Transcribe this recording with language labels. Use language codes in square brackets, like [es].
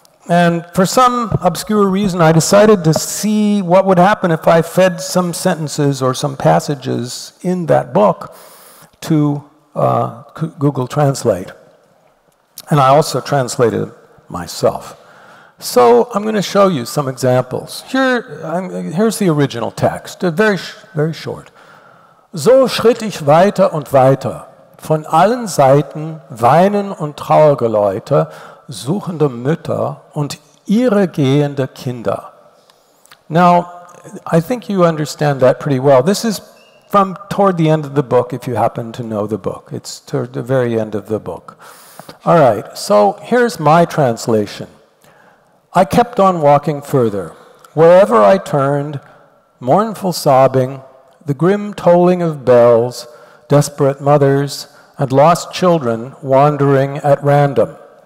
[en] And for some obscure reason, I decided to see what would happen if I fed some sentences or some passages in that book to Google Translate. And I also translated myself. So I'm going to show you some examples. Here's the original text, very, very short. [de] So schritt ich weiter und weiter, von allen Seiten weinen und Trauergeläute, suchende Mütter und ihre gehende Kinder. [en] Now, I think you understand that pretty well. This is from toward the end of the book, if you happen to know the book. It's toward the very end of the book. All right, so here's my translation. I kept on walking further. Wherever I turned, mournful sobbing, the grim tolling of bells, desperate mothers, and lost children wandering at random.